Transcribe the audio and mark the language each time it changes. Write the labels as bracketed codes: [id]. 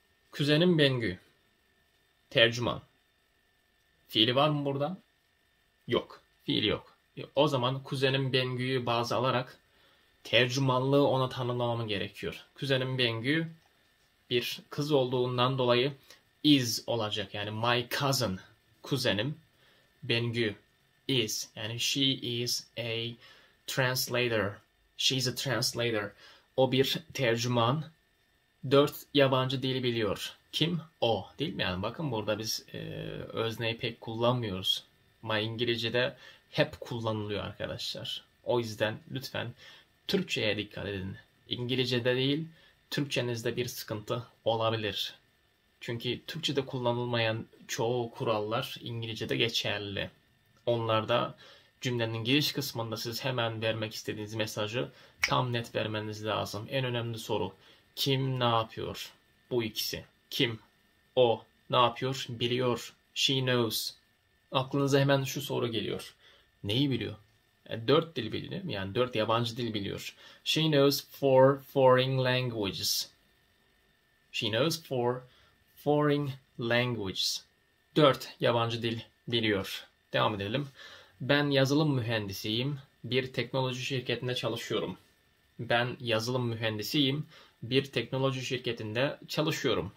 [tr] Kuzenim Bengü. Tercüman. Fiili var mı burada? Yok. Fiili yok. O zaman kuzenim Bengü'yü baz alarak tercümanlığı ona tanımlamam gerekiyor. Kuzenim Bengü bir kız olduğundan dolayı [en] is [tr] olacak. Yani [en] my cousin, [tr] kuzenim Bengü [en] is. [tr] Yani [en] she is a translator. She's a translator. [tr] O bir tercüman. Dört yabancı dili biliyor. Kim? O. Değil mi? Yani bakın burada biz özneyi pek kullanmıyoruz. [en] My [tr] İngilizce'de hep kullanılıyor arkadaşlar. O yüzden lütfen Türkçe'ye dikkat edin. İngilizce'de değil, Türkçenizde bir sıkıntı olabilir. Çünkü Türkçe'de kullanılmayan çoğu kurallar İngilizce'de geçerli. Onlarda cümlenin giriş kısmında siz hemen vermek istediğiniz mesajı tam net vermeniz lazım. En önemli soru, kim ne yapıyor? Bu ikisi. Kim? O ne yapıyor? Biliyor. [en] She knows. [tr] Aklınıza hemen şu soru geliyor. Neyi biliyor? Yani dört dil biliyor, değil mi? Yani dört yabancı dil biliyor. [en] She knows four foreign languages. She knows four foreign languages. [tr] Dört yabancı dil biliyor. Devam edelim. Ben yazılım mühendisiyim. Bir teknoloji şirketinde çalışıyorum. Ben yazılım mühendisiyim. Bir teknoloji şirketinde çalışıyorum.